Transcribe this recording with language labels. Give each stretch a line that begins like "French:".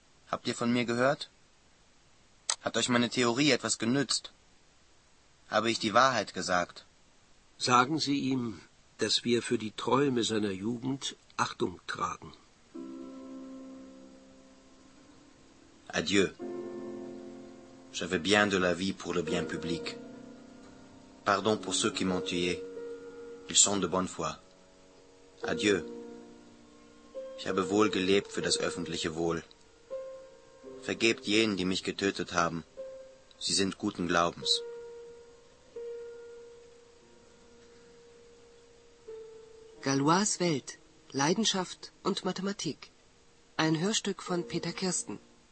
German: Habt ihr von mir gehört? Hat euch meine Theorie etwas genützt? Habe ich die Wahrheit gesagt? Sagen Sie ihm, dass wir für die Träume seiner Jugend Achtung tragen.
French: Adieu. J'avais bien de la vie pour le bien public. Pardon pour ceux qui m'ont tué. Ils sont de bonne foi. Adieu.
German: Ich habe wohl gelebt für das öffentliche Wohl. Vergebt jenen, die mich getötet haben. Sie sind guten Glaubens. Galois Welt, Leidenschaft und Mathematik. Ein Hörstück von Peter Kirsten.